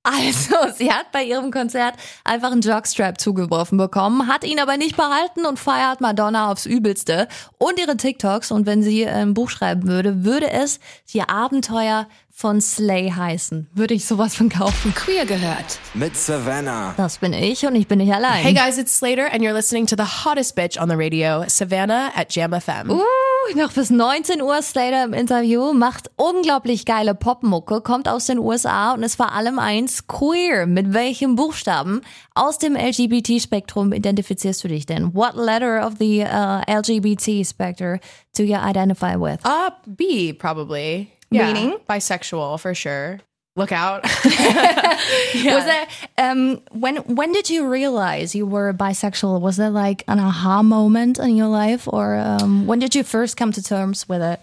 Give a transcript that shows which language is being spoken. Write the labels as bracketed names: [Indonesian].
[German] Also, sie hat bei ihrem Konzert einfach einen Jockstrap zugeworfen bekommen, hat ihn aber nicht behalten und feiert Madonna aufs Übelste und ihre TikToks. Und wenn sie ein Buch schreiben würde, würde es die Abenteuer von Slay heißen. Würde ich sowas von kaufen. Queer gehört. Mit Savannah. Das bin ich und ich bin nicht allein. [English] Hey guys, it's Slater and you're listening to the hottest bitch on the radio, Savannah at Jam FM. [German] Noch bis 19 Uhr Slater im Interview, macht unglaublich geile Popmucke, kommt aus den USA und ist vor allem eins queer. Mit welchem Buchstaben aus dem LGBT-Spektrum identifizierst du dich denn? [English] What letter of the LGBT spectrum do you identify with? B, probably. Meaning? Yeah, bisexual, for sure. Look out. Yeah. Was that, when did you realize you were bisexual? Was that like an aha moment in your life? Or when did you first come to terms with it?